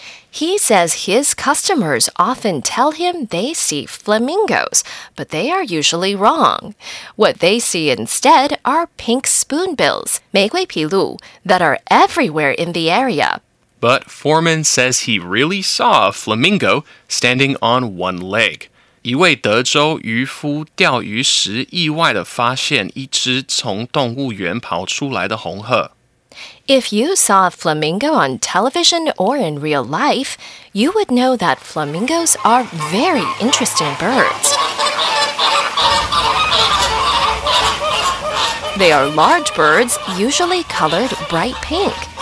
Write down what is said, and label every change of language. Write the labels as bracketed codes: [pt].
[en] He says his customers often tell him they see flamingos, but they are usually wrong. What they see instead are pink spoonbills, 玫瑰琵鹭, that are everywhere in the area. But Foreman says he really saw a flamingo standing on one leg. [zh] 一位德州渔夫钓鱼时意外地发现一只从动物园跑出来的红鹤。 [en] If you saw a flamingo on television or in real life, you would know that flamingos are very interesting birds. They are large birds, usually colored bright pink.